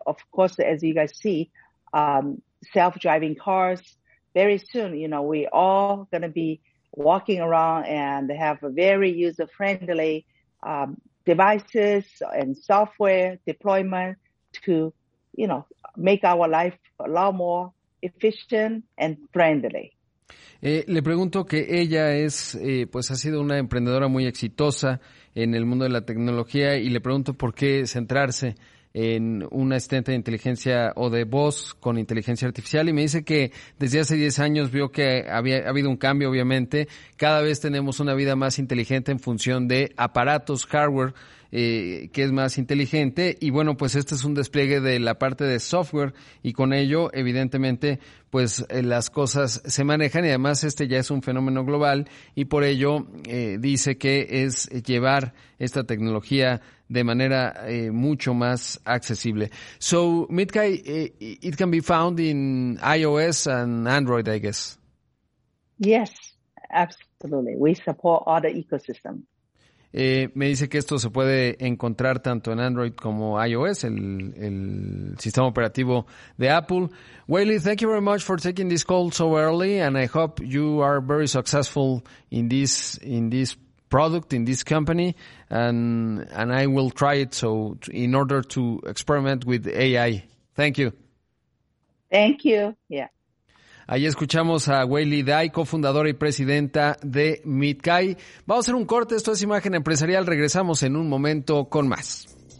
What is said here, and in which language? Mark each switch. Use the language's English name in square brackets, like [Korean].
[English] Of course, as you guys see, self-driving cars, very soon, you know, we all going to be walking around and have a very user-friendly devices and software deployment to, you know, make our life a lot more efficient and friendly. [Spanish] Le pregunto que ella es, pues ha sido una emprendedora muy exitosa en el mundo de la tecnología, y le pregunto por qué centrarse en un asistente de inteligencia o de voz con inteligencia artificial, y me dice que desde hace 10 años vio que había habido un cambio. Obviamente, cada vez tenemos una vida más inteligente en función de aparatos, hardware, que es más inteligente, y bueno, pues este es un despliegue de la parte de software, y con ello, evidentemente, pues las cosas se manejan, y además este ya es un fenómeno global, y por ello dice que es llevar esta tecnología de manera mucho más accesible. [English] So, Mitkai, it can be found in iOS and Android, I guess. Yes, absolutely. We support all the ecosystem. [Spanish] Me dice que esto se puede encontrar tanto en Android como iOS, el sistema operativo de Apple. [English] Whaley, thank you very much for taking this call so early, and I hope you are very successful in this product, in this company, and I will try it so in order to experiment with AI. Thank you. Thank you. Yeah. [Spanish] Ahí escuchamos a Whaley Dai, cofundadora y presidenta de Mitkai. Vamos a hacer un corte. Esto es Imagen Empresarial. Regresamos en un momento con más.